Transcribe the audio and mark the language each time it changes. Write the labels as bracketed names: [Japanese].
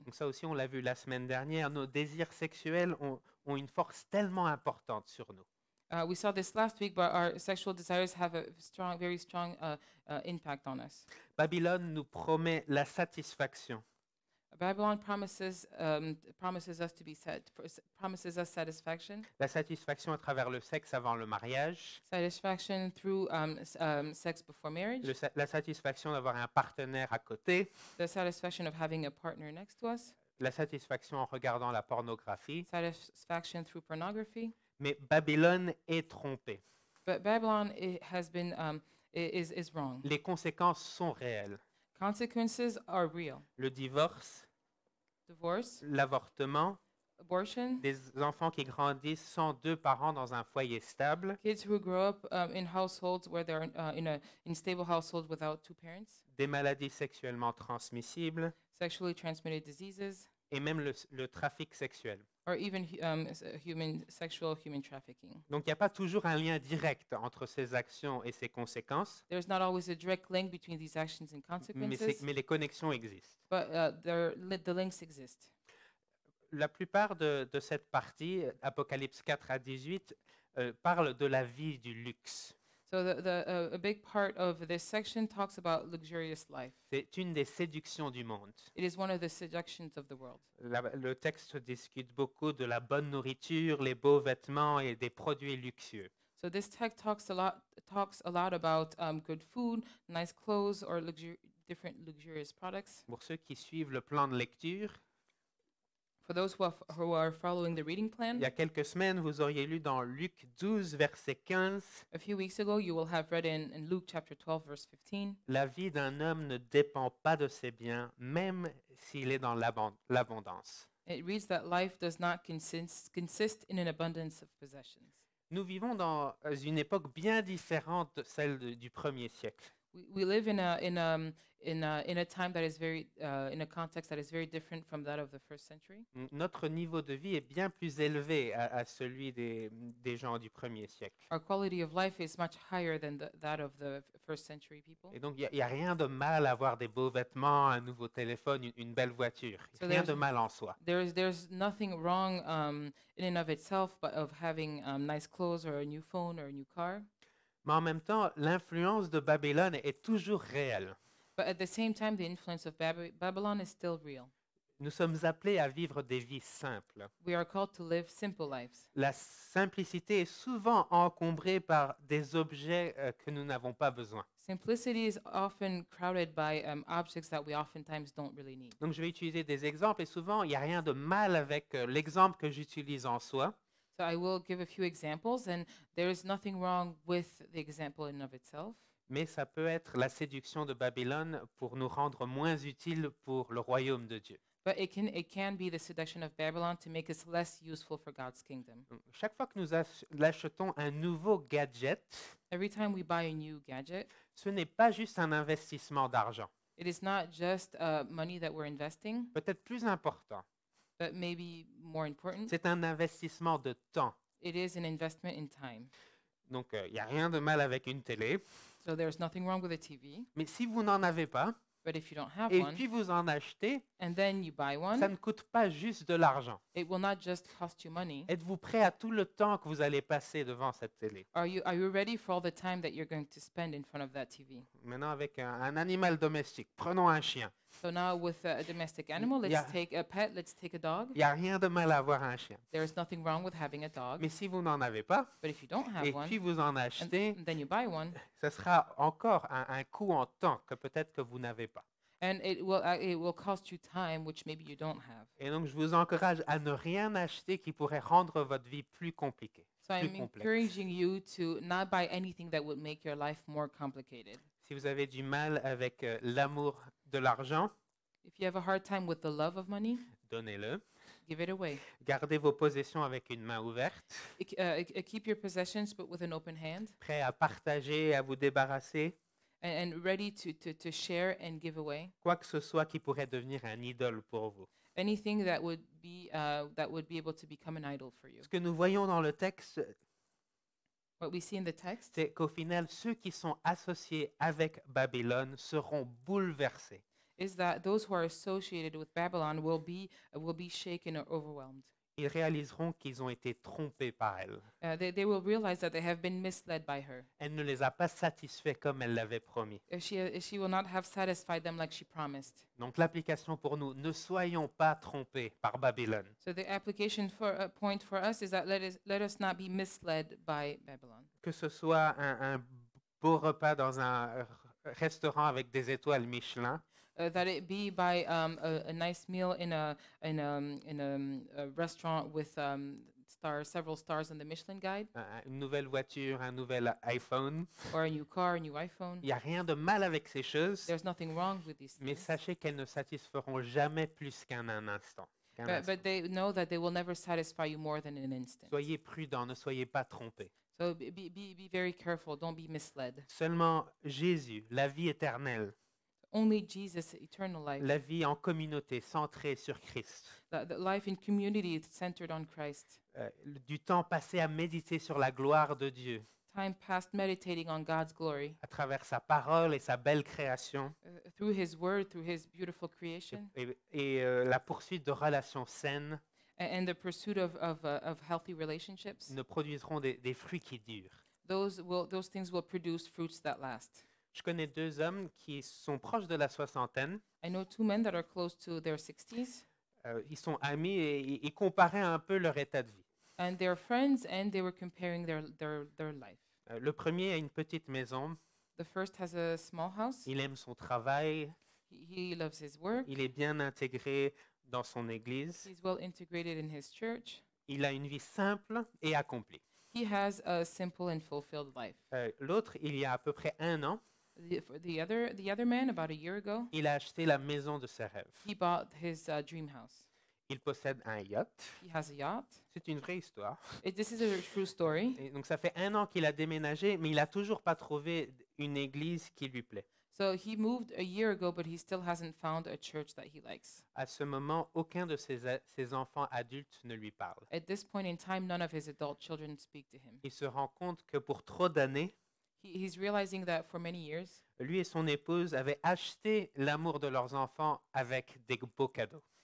[French] Donc ça aussi, on l'a vu la semaine dernière. Nos désirs sexuels ont une force tellement importante sur nous. [English] We saw this last week, but our sexual desires have a strong, very strong impact on us. [French] Babylone nous promet la satisfaction. [English] Babylon promises us to be set, promises us satisfaction. [French] La satisfaction à travers le sexe avant le mariage. [English] Satisfaction through sex before marriage. [French] La satisfaction d'avoir un partenaire à côté. [English] The satisfaction of having a partner next to us. [French] La satisfaction en regardant la pornographie. [English] Satisfaction through pornography. [French] Mais Babylone est trompée. [English] But Babylon has been is wrong. [French] Les conséquences sont réelles. [English] Consequences are real. [French] Le divorce, l'avortement, [English] abortion, [French] des enfants qui grandissent sans deux parents dans un foyer stable, [English] kids who grow up in households where they're in stable households without two parents, [French] des maladies sexuellement transmissibles, [English] sexually transmitted diseases, [French] et même le trafic sexuel, [English] or even human trafficking. [French] Donc il n'y a pas toujours un lien direct entre ces actions et ces conséquences. [English] There's not always a direct link between these actions and consequences. [French] Mais les connexions existent. [English] But the links exist. [French] La plupart de cette partie, Apocalypse 4 à 18, parle de la vie du luxe. [English] So a big part of this section talks about luxurious life. [French] C'est une des séductions du monde. [English] It is one of the seductions of the world. [French] Le texte discute beaucoup de la bonne nourriture, les beaux vêtements et des produits luxueux. [English] So this text talks a lot about good food, nice clothes or different luxurious products. [French] Pour ceux qui suivent le plan de lecture, [English] for those who are following the reading plan, [French] il y a quelques semaines, vous auriez lu dans Luc 12, verset 15. [English] A few weeks ago, you will have read in Luke chapter 12, verse 15. [French] La vie d'un homme ne dépend pas de ses biens, même s'il est dans l'abondance. [English] It reads that life does not consist in an abundance of possessions. [French] Nous vivons dans une époque bien différente de celle du premier siècle. [English] We live in a time that is very in a context that is very different from that of the first century. [French] Notre niveau de vie est bien plus élevé à celui des gens du premier siècle. [English] Our quality of life is much higher than that of the first century people. [French] Et donc il y a rien de mal à avoir des beaux vêtements, un nouveau téléphone, une belle voiture. [English] So [French] rien de mal en soi. [English] There's nothing wrong in and of itself, but of having nice clothes or a new phone or a new car. [French] Mais en même temps, l'influence de Babylone est toujours réelle. [English] But at the same time, the influence of Babylon is still real. [French] Nous sommes appelés à vivre des vies simples. [English] We are called to live simple lives. [French] La simplicité est souvent encombrée par des objets que nous n'avons pas besoin. [English] Simplicity is often crowded by objects that we oftentimes don't really need. [French] Donc je vais utiliser des exemples et souvent il n'y a rien de mal avec l'exemple que j'utilise en soi. [English] So I will give a few examples, and there is nothing wrong with the example in and of itself. [French] Mais ça peut être la séduction de Babylone pour nous rendre moins utiles pour le royaume de Dieu. [English] But it can be the seduction of Babylon to make us less useful for God's kingdom. [French] Chaque fois que nous achetons un nouveau gadget, [English] every time we buy a new gadget, [French] ce n'est pas juste un investissement d'argent. [English] It is not just money that we're investing. [French] Peut-être plus important. [English] But maybe more important, [French] c'est un investissement de temps. [English] It is an investment in time. [French] Donc, il n'y a rien de mal avec une télé. [English] So there's nothing wrong with a TV. [French] Mais si vous n'en avez pas, [English] but if you don't have [French] et [English] one, [French] puis vous en achetez, [English] and then you buy one, [French] ça ne coûte pas juste de l'argent. [English] It will not just cost you money. [French] Êtes-vous prêt à tout le temps que vous allez passer devant cette télé? [English] Are you ready for all the time that you're going to spend in front of that TV? [French] Maintenant, avec un animal domestique, prenons un chien. [English] So now with a domestic animal, let's take a dog. [French] Il n'y a rien de mal à avoir un chien. [English] There is nothing wrong with having a dog. [French] Mais si vous n'en avez pas, [English] but if you don't have [French] et puis vous en achetez, [English] and then you buy one, [French] ça sera encore un coût en temps que peut-être que vous n'avez pas. [English] And it will cost you time, which maybe you don't have. [French] Et donc je vous encourage à ne rien acheter qui pourrait rendre votre vie plus compliquée, [English] so [French] plus [English] I'm [French] complexe. [English] Encouraging you to not buy anything that would make your life more complicated. [French] Si vous avez du mal avec l'amour de l'argent, [English] if you have a hard time with the love of money, [French] donnez-le. [English] Give it away. [French] Gardez vos possessions avec une main ouverte. [English] Keep your possessions but with an open hand. [French] Prêt à partager, à vous débarrasser. [English] And ready to share and give away. [French] Quoi que ce soit qui pourrait devenir un idole pour vous. [English] Anything that would be able to become an idol for you. [French] Ce que nous voyons dans le texte, [English] what we see in the text, [French] c'est qu'au final, ceux qui sont associés avec Babylone seront bouleversés. [English] Is that those who are associated with Babylon will be shaken or overwhelmed? [French] Ils réaliseront qu'ils ont été trompés par elle. [English] They will realize that they have been misled by her. [French] Elle ne les a pas satisfaits comme elle l'avait promis. [English] She will not have satisfied them like she promised. [French] Donc l'application pour nous, ne soyons pas trompés par Babylone. [English] So the application for a point for us is that let us not be misled by Babylon. [French] Que ce soit un beau repas dans un restaurant avec des étoiles Michelin. [English] That it be by a nice meal in a restaurant with several stars in the Michelin guide. [French] Une nouvelle voiture, un nouvel iPhone. [English] Or a new car, a new iPhone. [French] Il n'y a rien de mal avec ces choses. [English] There's nothing wrong with these things. [French] Mais sachez qu'elles ne satisferont jamais plus qu'un instant. [English] But they know that they will never satisfy you more than an instant. [French] Soyez prudents, ne soyez pas trompés. [English] So be very careful, don't be misled. [French] Seulement Jésus, la vie éternelle. [English] Only Jesus, eternal life. [French] La vie en communauté centrée sur Christ. [English] The life in community centered on Christ. [French] Du temps passé à méditer sur la gloire de Dieu. [English] Time passed meditating on God's glory. [French] À travers sa parole et sa belle création. [English] Through his word, through his beautiful creation. [French] Et la poursuite de relations saines. [English] And the pursuit of healthy relationships. [French] Ne produiront des fruits qui durent. [English] Those things will produce fruits that last. [French] Je connais deux hommes qui sont proches de la soixantaine. [English] I know two men that are close to their 60s. [French] Ils sont amis et ils comparaient un peu leur état de vie. [English] And they're friends and they were comparing their life. [French] Le premier a une petite maison. [English] The first has a small house. [French] Il aime son travail. [English] He loves his work. [French] Il est bien intégré dans son église. [English] He's well integrated in his church. [French] Il a une vie simple et accomplie. [English] He has a simple and fulfilled life. [French] L'autre, il y a à peu près un an, [English] the other man, about a year ago, [French] il a acheté la maison de ses rêves. [English] He bought his dream house. [French] Il possède un yacht. [English] He has a yacht. [French] C'est une vraie histoire. [English] This is a true story. [French] Donc ça fait un an qu'il a déménagé, mais il n'a toujours pas trouvé une église qui lui plaît. [English] So he moved a year ago, but he still hasn't found a church that he likes. [French] À ce moment, aucun de ses enfants adultes ne lui parle. [English] At this point in time, none of his adult children speak to him. [French] Il se rend compte que pour trop d'années, [English] he's realizing that for many years, [French] lui et son épouse avaient acheté l'amour de leurs enfants avec des beaux cadeaux.